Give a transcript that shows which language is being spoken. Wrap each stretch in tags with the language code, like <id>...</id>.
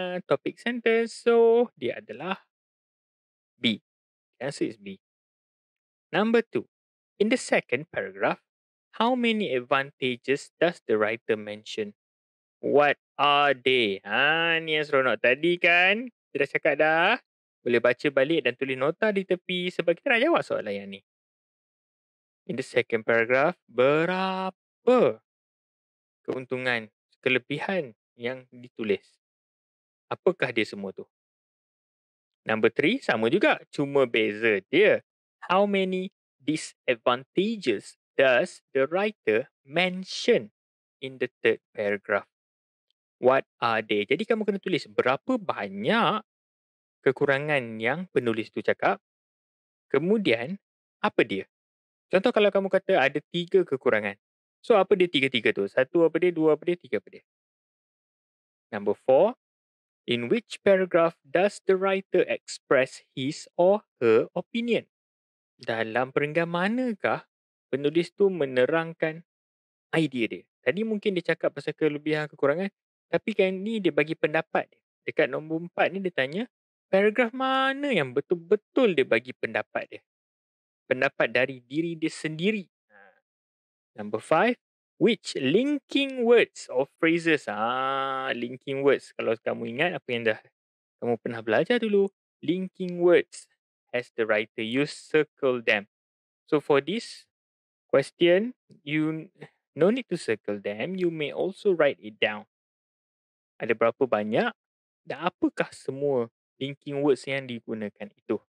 <ms>Topic sentence, so dia adalah B.</ms> <en>The answer is B. Number 2, in the second paragraph, how many advantages does the writer mention? What are they?</en> <ms>Ni yang seronok tadi kan? Kita dah cakap dah. Boleh baca balik dan tulis nota di tepi sebab kita nak jawab soalan yang ni.</ms> <en>In the second paragraph,</en> <ms>berapa keuntungan, kelebihan yang ditulis? Apakah dia semua tu? Number 3, sama juga. Cuma beza dia.</ms> <en>How many disadvantages does the writer mention in the third paragraph? what are they.</en> <ms>Jadi kamu kena tulis berapa banyak kekurangan yang penulis tu cakap. Kemudian, apa dia? Contoh kalau kamu kata ada 3 kekurangan. So, apa dia 3-3 tu? 1 apa dia, 2 apa dia, 3 apa dia? Number 4.</ms> <en>In which paragraph does the writer express his or her opinion?</en> <ms>Dalam perenggan manakah penulis tu menerangkan idea dia? Tadi mungkin dia cakap pasal kelebihan kekurangan. Tapi kan ni dia bagi pendapat. Dekat nombor 4 ni dia tanya, paragraf mana yang betul-betul dia bagi pendapat dia? Pendapat dari diri dia sendiri.</ms> <en>Number 5, which linking words or phrases?</en> <ms>Linking words. Kalau kamu ingat apa yang dah kamu pernah belajar dulu.</ms> <en>Linking words. Has the writer use circle them? So for this question, you no need to circle them. You may also write it down.</en> <ms>Ada berapa banyak dan apakah semua linking words yang digunakan itu?</ms>